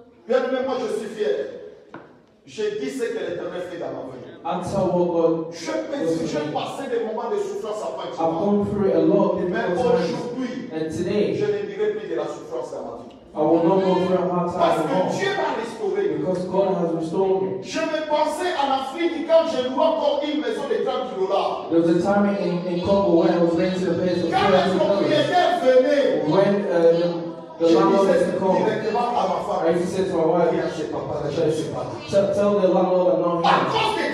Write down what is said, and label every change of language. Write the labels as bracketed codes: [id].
[en] I'll tell what God does. I've gone through a lot of difficult times, and today I will not go through a hard time anymore, because God has restored me. [fr] Je me pensais en Afrique quand je loue encore une maison de 30 dollars. [en] There was a time in Congo when I was renting a place of 30 dollars. When the landlord was to come, I used to say to my wife, tell the landlord I'm not here.